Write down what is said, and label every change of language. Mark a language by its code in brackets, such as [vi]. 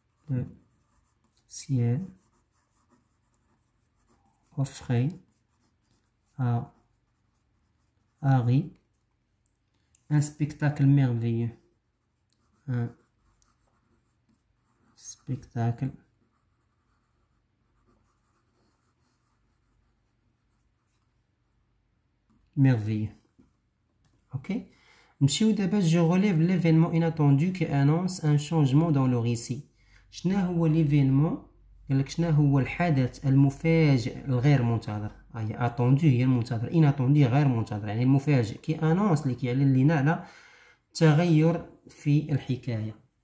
[fr] le ciel offrait à Harry un spectacle merveilleux, un spectacle merveilleux. [ar] OK، نمشيو دابا. [fr] Je relève l'événement inattendu qui annonce un changement dans le récit. [ar] شنو هو ليفينمون؟ قال لك شنو هو الحدث المفاجئ الغير منتظر، هي اتوندو هي المنتظر، ان اتوندو غير منتظر يعني المفاجئ، كي انونس اللي كيعلن لينا على تغير في الحكايه.